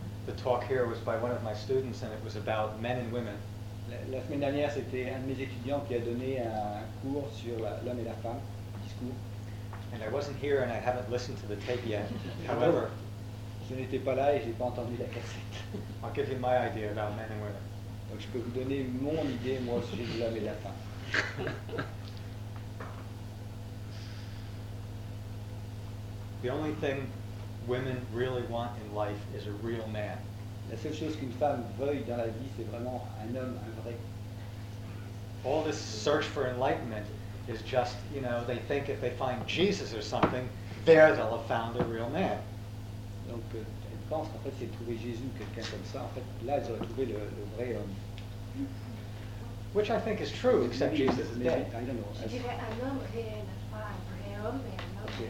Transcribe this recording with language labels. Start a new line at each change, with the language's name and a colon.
English: The talk here was by one of my students, and it was about men and women.
French: La semaine dernière, c'était un de mes étudiants qui a donné un cours sur l'homme et la femme, discours.
English: And I wasn't here, and I haven't listened to the tape yet. However,
French: je n'étais pas là et j'ai pas entendu la cassette.
English: I'll give you my idea about men and women.
French: Donc, je peux vous donner mon idée moi au sujet de l'homme et la femme.
English: The only thing women really want in life is a real man.
French: La seule chose qu'une femme veuille dans la vie, c'est vraiment un homme, un vrai.
English: All this search for enlightenment is just, you know, they think if they find Jesus or something, there they'll have found a real man.
French: Donc, elle pense qu'en fait, c'est trouver Jésus, quelqu'un comme ça, en fait, là, elle aurait trouvé le vrai homme.
English: Which I think is true, except
French: mais,
English: Jesus is dead. I don't know.
French: Je dirais un homme réel, un vrai homme et un homme réel.